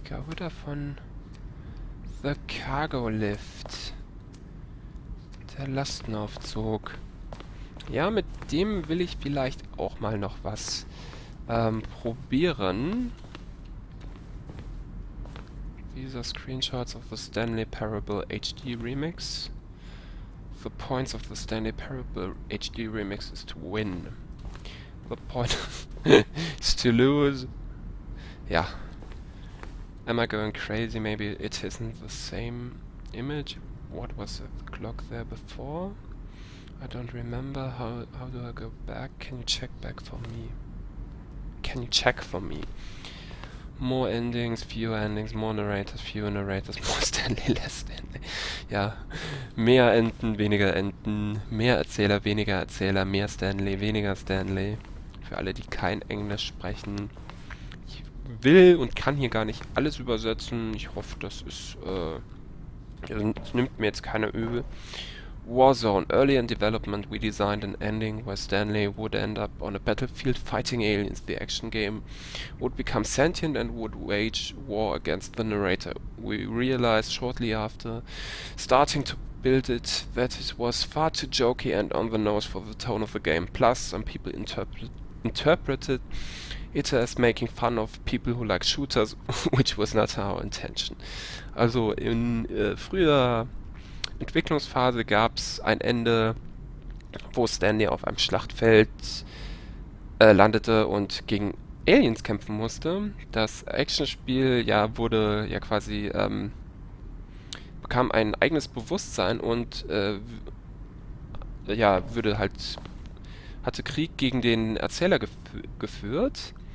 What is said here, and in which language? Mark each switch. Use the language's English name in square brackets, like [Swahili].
[German] Oder von The Cargo Lift. Der Lastenaufzug. Ja, mit dem will ich vielleicht auch mal noch was probieren. [English] These are screenshots of the Stanley Parable HD Remix. The points of the Stanley Parable HD Remix is to win. The point is to lose. Ja. Am I going crazy? Maybe it isn't the same image. What was the clock there before? I don't remember. How do I go back? Can you check back for me? Can you check for me? More endings, fewer endings, more narrators, fewer narrators, more Stanley, less Stanley. [German] Ja, mehr Enden, weniger Enden, mehr Erzähler, weniger Erzähler, mehr Stanley, weniger Stanley. Für alle, die kein Englisch sprechen. Will und kann hier gar nicht alles übersetzen. Ich hoffe, das nimmt mir jetzt keiner übel. Warzone. [English] Early in development, we designed an ending where Stanley would end up on a battlefield fighting aliens. The action game would become sentient and would wage war against the narrator. We realized shortly after starting to build it that it was far too jokey and on the nose for the tone of the game. Plus, some people interpreted it is making fun of people who like shooters, which was not our intention. [German] Also in früher Entwicklungsphase gab es ein Ende, wo Stanley auf einem Schlachtfeld landete und gegen Aliens kämpfen musste. Das Actionspiel ja wurde ja quasi bekam ein eigenes Bewusstsein und ja würde halt hatte Krieg gegen den Erzähler geführt.